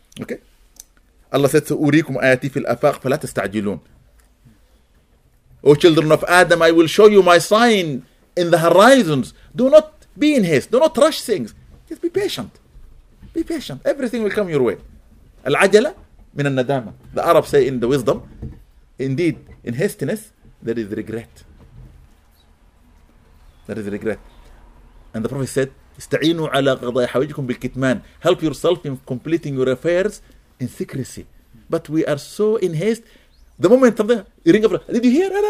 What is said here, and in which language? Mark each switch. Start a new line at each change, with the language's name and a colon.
English: Okay? Allah said,
Arabic: سَأُرِيكُمْ آيَاتِي فِي الْأَفَاقِ فَلَا تَسْتَعْجِلُونَ
English: O children of Adam, I will show you my sign in the horizons. Do not be in haste. Do not rush things. Just be patient. Be patient. Everything will come your way.
Arabic: العجلة من الندامة.
English: The Arabs say in the wisdom, indeed, in hastiness, there is regret. There is regret. And the Prophet said,
Arabic: استعينوا على قضاء حوائجكم بالكتمان.
English: Help yourself in completing your affairs in secrecy. But we are so in haste. The moment something, you ring up, did you hear?